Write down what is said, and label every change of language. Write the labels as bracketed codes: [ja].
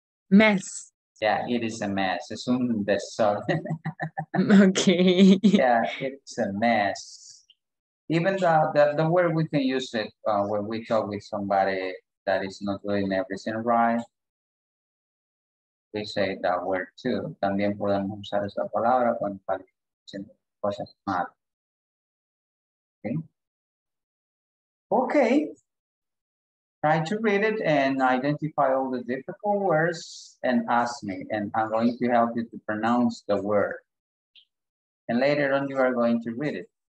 [en] Mess. Yeah, it is a mess. It's [es] un desorden. [en] Okay. Yeah, it's a mess. Even the word we can use it when we talk with somebody that is not doing everything right. We say that word too. [es] También podemos usar esa palabra cuando alguien dice cosas mal. [en] Okay. Try to read it and identify all the difficult words and ask me. And I'm going to help you to pronounce the word. And later on, you are going to read it.